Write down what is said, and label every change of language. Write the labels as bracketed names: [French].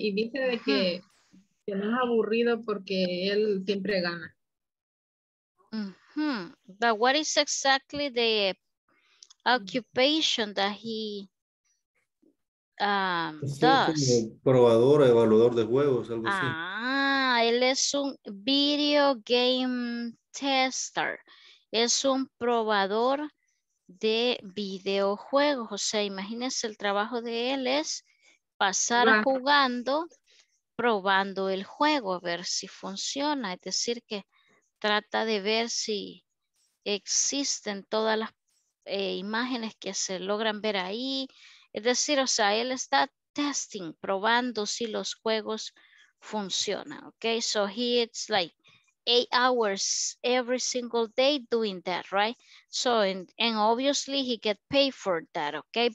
[Spanish] Y dice de que no es aburrido porque él siempre gana. Mm-hmm. [English] But what is exactly the occupation that he... [Spanish] probador, evaluador de juegos, algo así. Él es un [English] video game tester. [Spanish] Es un probador de videojuegos. O sea, imagínense, el trabajo de él es pasar jugando, probando el juego, a ver si funciona. Es decir, que trata de ver si existen todas las imágenes que se logran ver ahí. Es decir, o sea, él está testing, probando si los juegos funcionan, okay? [English] So he, it's like 8 hours every single day doing that, right? So, and obviously he get paid for that, okay?